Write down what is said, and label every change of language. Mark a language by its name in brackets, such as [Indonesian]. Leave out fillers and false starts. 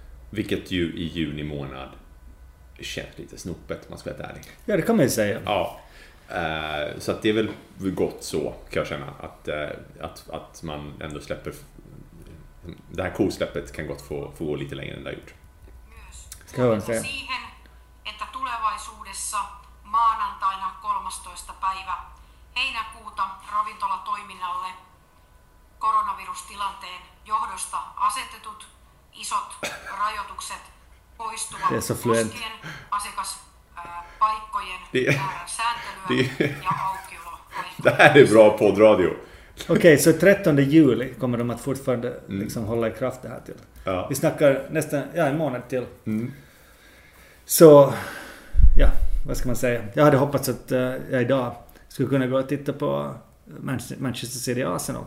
[Swedish] Vilket ju i juni månad känns lite snopet, man ska vara ärlig. Ja, det kan man ju säga. Ja. Så att det är väl gott så, kan jag känna, att man ändå släpper det här kosläppet, kan gott få gå lite längre än det har gjort. Ska jag säga. [Finnish] Siihen, että tulevaisuudessa maanantaina 13. päivä heinäkuuta ravintolatoiminnalle koronavirustilanteen johdosta asetetut isot rajoitukset poistuvat koskien asiakaspaikkojen sääntelyä ja aukiolo. [Swedish] Det är bra poddradio. Okej, så 13 juli kommer de att fortfarande liksom hålla i kraft det här till. Ja. Vi snackar nästan en månad till. Mm. Så, vad ska man säga? Jag hade hoppats att jag idag skulle kunna gå och titta på Manchester City Arsenal.